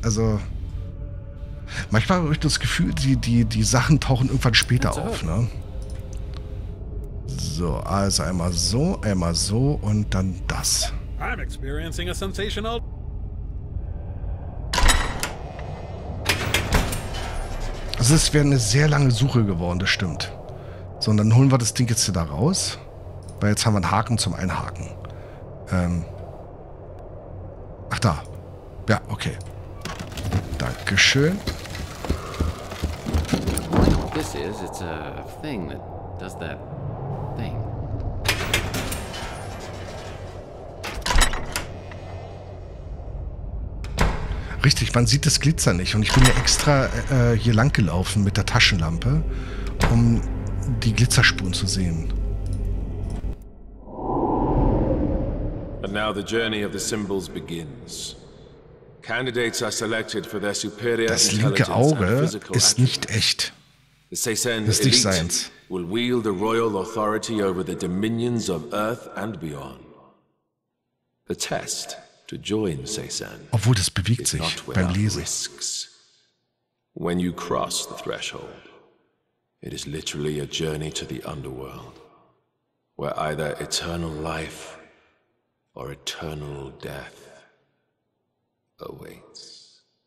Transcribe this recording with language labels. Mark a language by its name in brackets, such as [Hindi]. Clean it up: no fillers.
[German] Also manchmal habe ich das Gefühl, die Sachen tauchen irgendwann später auf, ne? So, also einmal so und dann das. [English] I'm experiencing a sensational... [German] Also es wäre eine sehr lange Suche geworden, das stimmt. So, und dann holen wir das Ding jetzt hier da raus. Weil jetzt haben wir einen Haken zum Einhaken. Ach da. Ja, okay. Dankeschön. [English] This is, it's a thing that does that thing. [German] Richtig, man sieht das Glitzern nicht und ich bin ja extra hier lang gelaufen mit der Taschenlampe, um die Glitzerspuren zu sehen. [English] And now the journey of the symbols begins. Candidates are selected for their superior intelligence and physical attributes. [German] Das linke Auge ist nicht echt. Das ist nicht seins. [English] Will wield the royal authority over the dominions of Earth and beyond. The test to join Seisen. [German] Obwohl das bewegt sich beim Lesen. [English] When you cross the threshold, it is literally a journey to the underworld, where either eternal life or eternal death awaits.